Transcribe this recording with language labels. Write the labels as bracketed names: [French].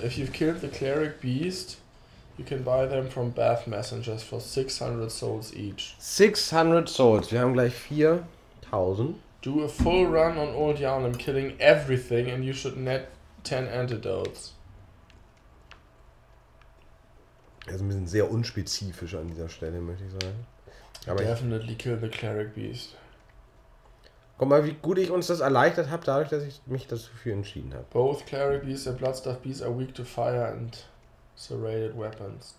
[English] If you've killed the cleric beast, you can buy them from Bath Messengers for 600 souls each. [German] 600 souls. Wir haben gleich 4000. [English] Do a full run on Old Yarnum, killing everything and you should net 10 antidotes. [German] Das ist ein bisschen sehr unspezifisch an dieser Stelle, möchte ich sagen. Aber [English] Definitely kill the cleric beast. [German] Guck mal, wie gut ich uns das erleichtert habe, dadurch, dass ich mich dafür entschieden habe. [English] Both cleric beasts and bloodstuff beasts are weak to fire and serrated weapons.